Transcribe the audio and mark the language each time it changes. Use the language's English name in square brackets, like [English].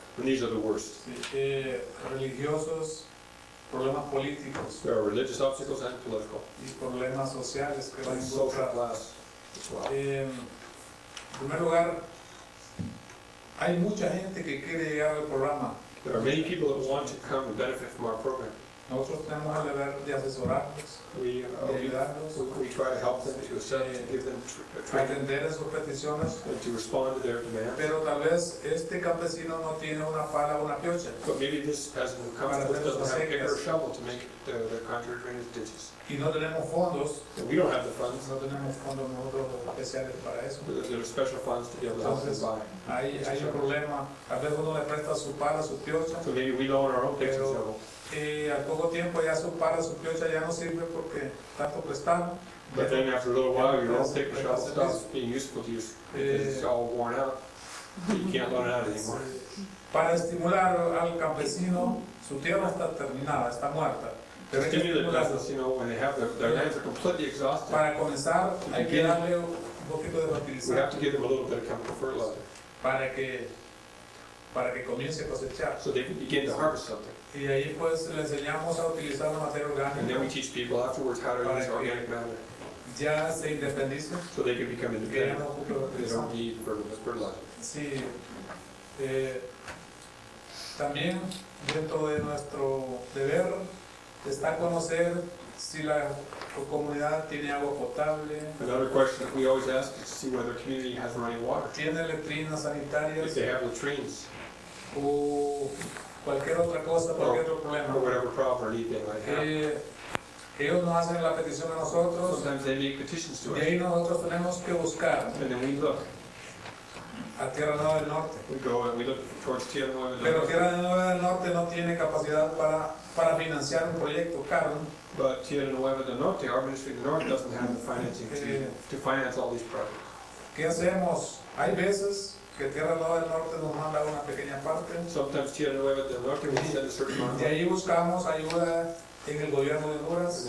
[English] And these are the worst. [Spanish] Religiosos, problemas políticos. [English] There are religious obstacles and political. [Spanish] Y problemas sociales que van [English] social class as well. [Spanish] En primer lugar, hay mucha gente que quiere llegar al programa. [English] There are many people that want to come and benefit from our program. [Spanish] Nosotros tenemos el deber de asesorarlos, de ayudarlos. [English] We try to help them, to assist, to give them [Spanish] training. Atender a sus peticiones. [English] And to respond to their demands. [Spanish] Pero tal vez este campesino no tiene una pala o una piocha. [English] But maybe this peasant who comes doesn't have a pick or a shovel to make the concrete drainage ditches. [Spanish] Y no tenemos fondos. [English] And we don't have the funds. [Spanish] No tenemos fondos nosotros especiales para eso. [English] There are special funds to be able to help them buy. [Spanish] Hay un problema. Tal vez uno le presta su pala, su piocha. [English] So maybe we loan our own picks and shovel. [Spanish] Al poco tiempo ya su para su piocha ya no sirve porque tanto prestado. [English] But then after a little while your old paper shovel stops being useful to you because it's all worn out. You can't loan it out anymore. [Spanish] Para estimular al campesino, su tierra está terminada, está muerta. [English] To stimulate the peasants, you know, when they have their lands are completely exhausted. [Spanish] Para comenzar hay que darle un poquito de fertilizante. [English] We have to give them a little bit of chemical fertilizer. [Spanish] Para que comience a cosechar. [English] So they can begin to harvest something. [Spanish] Y ahí pues le enseñamos a utilizar la materia orgánica. [English] And then we teach people afterwards how to use organic matter. [Spanish] Ya se independizan. [English] So they can become independent. [Spanish] Ya no ocupan la utilización. [English] They don't need fertilizer. [Spanish] Sí. También dentro de nuestro deber está conocer si la comunidad tiene agua potable. [English] Another question that we always ask is to see whether the community has running water. [Spanish] Tiene letrinas sanitarias. [English] If they have latrines. [Spanish] O cualquier otra cosa, cualquier otro problema. [English] Or whatever problem or need they might have. [Spanish] Ellos nos hacen la petición a nosotros. [English] Sometimes they make petitions to us. [Spanish] Y ahí nosotros tenemos que buscar. [English] And then we look. [Spanish] A Tierra Nueva del Norte. [English] We go and we look towards Tierra Nueva del Norte. [Spanish] Pero Tierra Nueva del Norte no tiene capacidad para financiar un proyecto caro. [English] But Tierra Nueva del Norte, our ministry of the North, doesn't have the financing to finance all these projects. [Spanish] ¿Qué hacemos? Hay veces que Tierra Nueva del Norte nos manda una pequeña parte. [English] Sometimes Tierra Nueva del Norte will send a certain amount. [Spanish] Y ahí buscamos ayuda en el gobierno de Honduras.